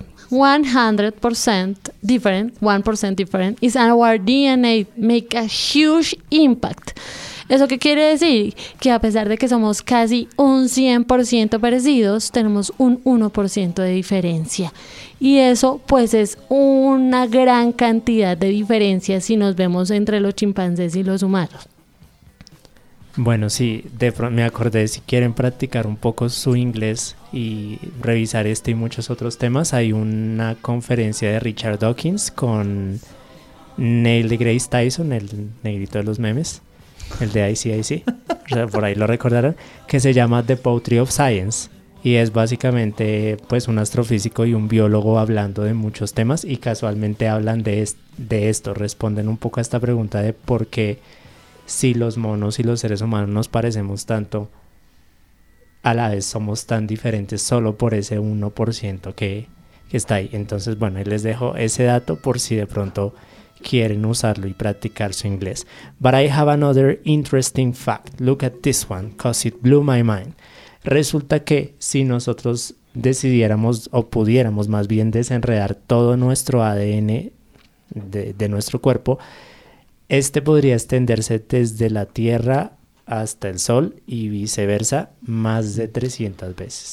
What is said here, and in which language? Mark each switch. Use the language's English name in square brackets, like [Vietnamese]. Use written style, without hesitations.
[English] 100% different, 1% different, is our DNA make a huge impact. [Spanish] ¿Eso qué quiere decir? Que a pesar de que somos casi un 100% parecidos, tenemos un 1% de diferencia. Y eso, pues, es una gran cantidad de diferencia si nos vemos entre los chimpancés y los humanos. Bueno, sí, de pronto me acordé, si quieren practicar un poco su inglés y revisar este y muchos otros temas, hay una conferencia de Richard Dawkins con Neil deGrasse Tyson, el negrito de los memes, el de ICIC, por ahí lo recordarán, que se llama The Poetry of Science, y es básicamente pues un astrofísico y un biólogo hablando de muchos temas, y casualmente hablan de esto, responden un poco a esta pregunta de por qué, si los monos y los seres humanos nos parecemos tanto, a la vez somos tan diferentes solo por ese 1% que está ahí. Entonces, bueno, ahí les dejo ese dato por si de pronto quieren usarlo y practicar su inglés. [English] But I have another interesting fact. Look at this one, because it blew my mind. [Spanish] Resulta que si nosotros decidiéramos o pudiéramos más bien desenredar todo nuestro ADN de nuestro cuerpo, este podría extenderse desde la Tierra hasta el Sol y viceversa más de 300 veces.